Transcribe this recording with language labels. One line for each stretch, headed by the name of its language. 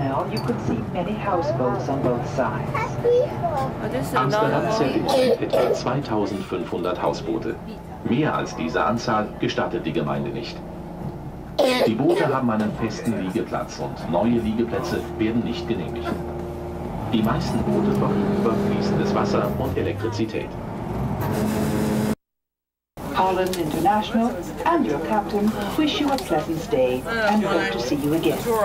English: you could see many houseboats on both sides.
German: Amsterdam zählt etwa 2500 Hausboote. Mehr als diese Anzahl gestattet die Gemeinde nicht. Die Boote haben einen festen Liegeplatz und neue Liegeplätze werden nicht genehmigt. Die meisten Boote verfügen über fließendes Wasser und Elektrizität.
English: Holland International and your captain wish you a pleasant stay and hope to see you again.